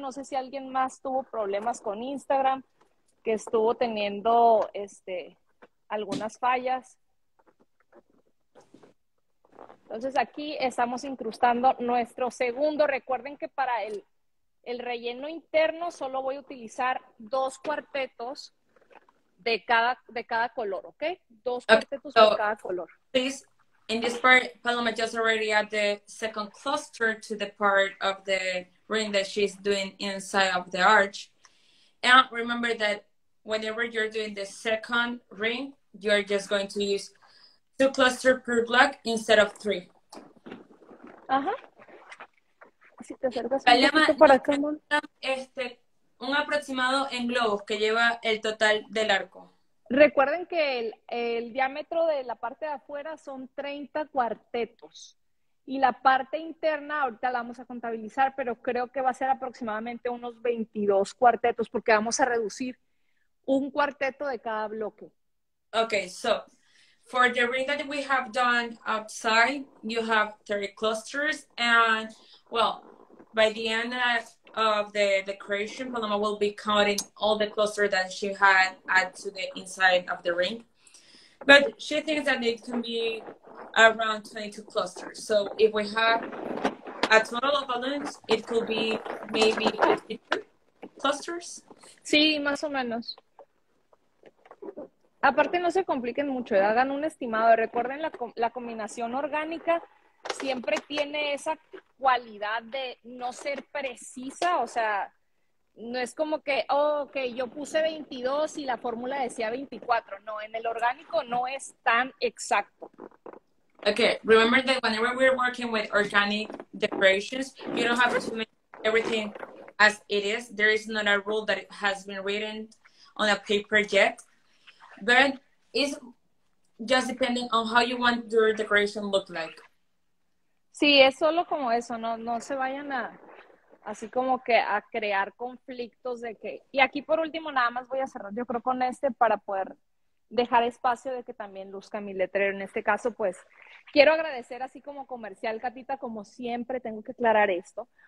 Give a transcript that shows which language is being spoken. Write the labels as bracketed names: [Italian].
[Spanish] No sé si alguien más tuvo problemas con Instagram, que estuvo teniendo algunas fallas. Entonces aquí estamos incrustando nuestro segundo. Recuerden que para el relleno interno solo voy a utilizar dos cuartetos de cada color, ¿ok? Dos cuartetos de cada color. [English] Please, in this part, Paloma just already added the second cluster to the part of the ring that she's doing inside of the arch. And remember that whenever you're doing the second ring, you're just going to use two clusters per block instead of three. Ajá. [Spanish] Si te acercas un Paloma, poquito para acá, ¿no? Un aproximado en globos que lleva el total del arco. Recuerden que el diámetro de la parte de afuera son 30 cuartetos. Y la parte interna, ahorita la vamos a contabilizar, pero creo que va a ser aproximadamente unos 22 cuartetos, porque vamos a reducir un cuarteto de cada bloque. [English] Okay, so for the ring that we have done outside, you have 30 clusters, and well, by the end of the decoration, Paloma will be counting all the clusters that she had added to the inside of the ring. But she thinks that it can be around 22 clusters. So if we have a total of balloons, it could be maybe 52 clusters. [Spanish] Sí, más o menos. Aparte, no se compliquen mucho, ¿eh? Hagan un estimado. Recuerden, la combinación orgánica siempre tiene esa cualidad de no ser precisa. O sea, no es como que, oh, ok, yo puse 22 y la fórmula decía 24. No, en el orgánico no es tan exacto. [English] Ok, remember that whenever we're working with organic decorations, you don't have to make everything as it is. There is not a rule that has been written on a paper yet. But it's just depending on how you want your decoration look like. [Spanish] Sí, es solo como eso, no se vayan a así como que a crear conflictos de que... Y aquí por último nada más voy a cerrar yo creo con este para poder dejar espacio de que también luzca mi letrero. En este caso, pues, quiero agradecer así como comercial, Katita, como siempre tengo que aclarar esto.